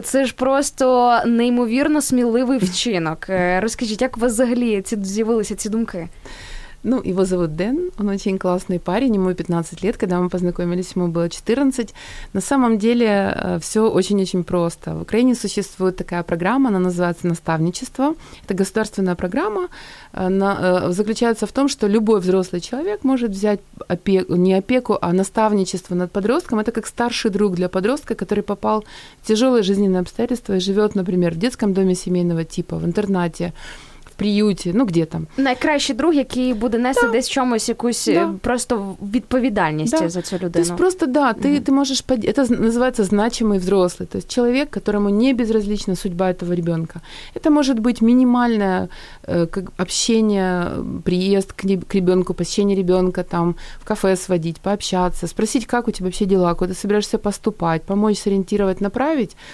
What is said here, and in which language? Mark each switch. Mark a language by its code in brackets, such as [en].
[uk] Це ж просто неймовірно сміливий вчинок. Розкажіть, як у вас взагалі з'явилися ці думки? [ru] Ну, его зовут Дэн, он очень классный парень, ему 15 лет, когда мы познакомились, ему было 14. На самом деле все очень-очень просто. В Украине существует такая программа, она называется «Наставничество». Это государственная программа, она заключается в том, что любой взрослый человек может взять опеку, не опеку, а наставничество над подростком. Это как старший друг для подростка, который попал в тяжелые жизненные обстоятельства и живет, например, в детском доме семейного типа, в интернате, приюте, ну, где там. [uk] Найкращий друг, який буде нести десь чомусь якусь просто відповідальність за цю людину. [ru] То есть просто, да, ты можешь... Это называется значимый взрослый. То есть человек, которому не безразлична судьба этого ребенка. Это может быть минимальное как общение, приезд к ребенку, посещение ребенка, там, в кафе сводить, пообщаться, спросить, как у тебя вообще дела, куда ты собираешься поступать, помочь сориентировать, направить.